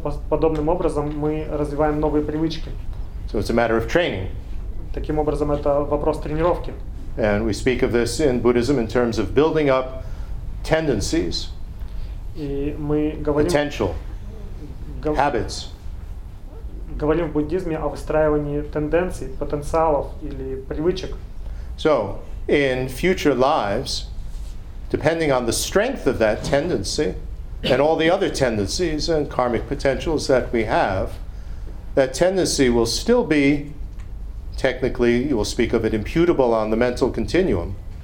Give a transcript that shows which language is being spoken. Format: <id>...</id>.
<ru>Подобным образом мы развиваем новые привычки.</ru> <en>So it's a matter of training.</en> <ru>Таким образом, это вопрос тренировки.</ru> <en>And we speak of this in Buddhism in terms of building up tendencies, potential, habits.</en> <ru>Говорим в буддизме о выстраивании тенденций, потенциалов или привычек.</ru> <en>So, in future lives, depending on the strength of that tendency and all the other tendencies and karmic potentials that we have, that tendency will still be technically, you will speak of it imputable on the mental continuum.</en>